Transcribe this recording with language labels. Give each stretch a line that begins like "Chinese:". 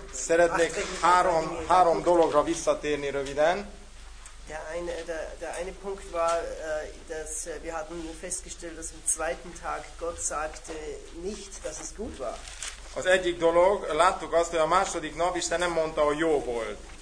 Hungarian: Szeretnék három dologra visszatérni röviden.
German: Der eine Punkt war, dass wir hatten festgestellt, dass am zweiten Tag Gott sagte nicht, dass es gut war.
Hungarian: Az egyik dolog, láttuk azt, hogy a második nap Isten nem mondta, hogy jó volt.